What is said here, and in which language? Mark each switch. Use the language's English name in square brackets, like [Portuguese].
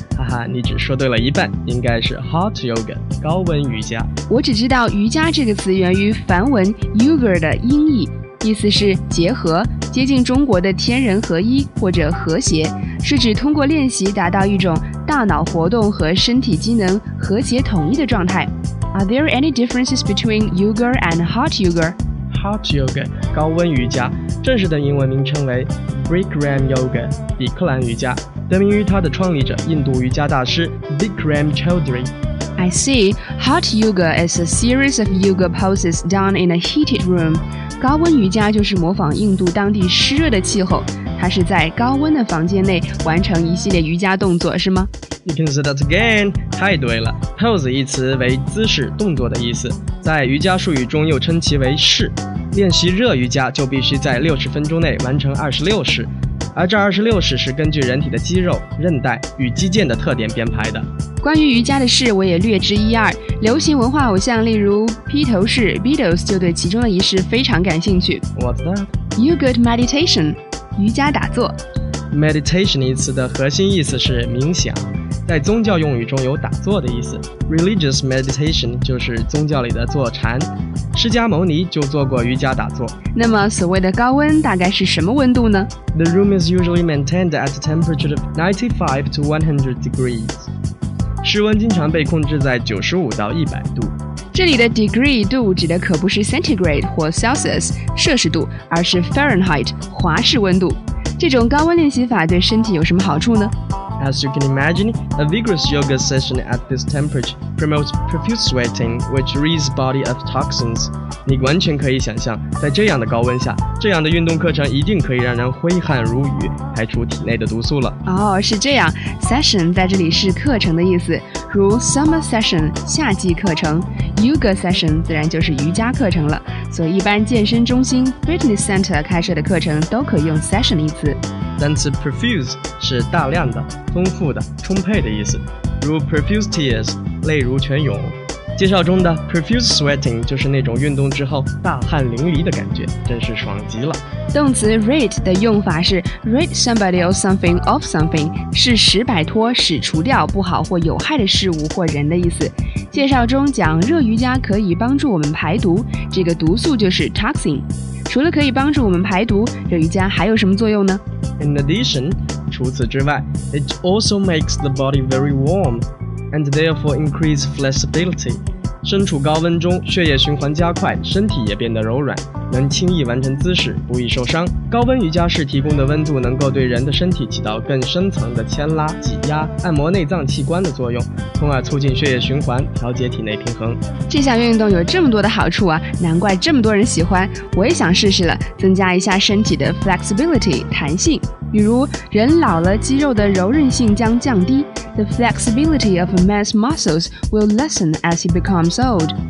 [Chinese] 哈哈，你只说对了一半，应该是 hot yoga, 高温瑜伽。我只知道瑜伽这个词源于梵文 yoga 的音译，意思是结合，接近中国的天人合一或者和谐，是指通过练习达到一种大脑活动和身体机能和谐统一的状态。 [English] Are there any differences between yoga and hot yoga? [Chinese] Hot yoga, 高温瑜伽，正式的英文名称为 Bikram Yoga, 比克兰瑜伽，得名于它的创立者印度瑜伽大师 Bikram Choudhury. [English] I see, hot yoga is a series of yoga poses done in a heated room. [Chinese] 高温瑜伽就是模仿印度当地湿热的气候，它是在高温的房间内完成一系列瑜伽动作，是吗？ [English] You can say that again. [Chinese] 太对了。 Pose 一词为姿势、动作的意思，在瑜伽术语中又称其为式。练习热瑜伽就必须在60分钟内完成26式，而这26式是根据人体的肌肉、韧带与肌腱的特点编排的。关于瑜伽的式，我也略知一二。流行文化偶像例如披头士 Beatles 就对其中的仪式非常感兴趣。 [English] What's that? [Chinese] Yoga meditation, 瑜伽打坐。 Meditation 一词的核心意思是冥想，在宗教用语中有打坐的意思。 Religious meditation 就是宗教里的坐禅，释迦牟尼就做过瑜伽打坐。那么所谓的高温大概是什么温度呢？ [English] The room is usually maintained at a temperature of 95 to 100 degrees. [Chinese] 室温经常被控制在95到100度。这里的 degree 度指的可不是 centigrade 或 Celsius 摄氏度，而是 Fahrenheit 华氏温度。这种高温练习法对身体有什么好处呢？ [English] As you can imagine, a vigorous yoga session at this temperature promotes profuse sweating, which rids body of toxins. [Chinese] 你完全可以想象，在这样的高温下，这样的运动课程一定可以让人挥汗如雨，排出体内的毒素了。哦，是这样。 Session 在这里是课程的意思，如 summer session 夏季课程， yoga session 自然就是瑜伽课程了。所以一般健身中心 fitness center 开设的课程都可以用 session 一词。单词 profuse 是大量的、丰富的、充沛的意思，如 profuse tears 泪如泉涌。介绍中的 profuse sweating 就是那种运动之后大汗淋漓的感觉，真是爽极了。动词 rid 的用法是 rid somebody or something of something， 是使摆脱、使除掉不好或有害的事物或人的意思。介绍中讲热瑜伽可以帮助我们排毒，这个毒素就是 toxin。除了可以帮助我们排毒，热瑜伽还有什么作用呢？ [English] In addition, [Chinese] 除此之外, [English] it also makes the body very warm, and therefore increase flexibility. [Chinese] 身处高温中，血液循环加快，身体也变得柔软，能轻易完成姿势，不易受伤。高温瑜伽室提供的温度能够对人的身体起到更深层的牵拉、挤压、按摩内脏器官的作用，从而促进血液循环，调节体内平衡。这项运动有这么多的好处啊，难怪这么多人喜欢，我也想试试了，增加一下身体的 flexibility 弹性。比如人老了，肌肉的柔韧性将降低， [English] The flexibility of a man's muscles will lessen as he becomes old.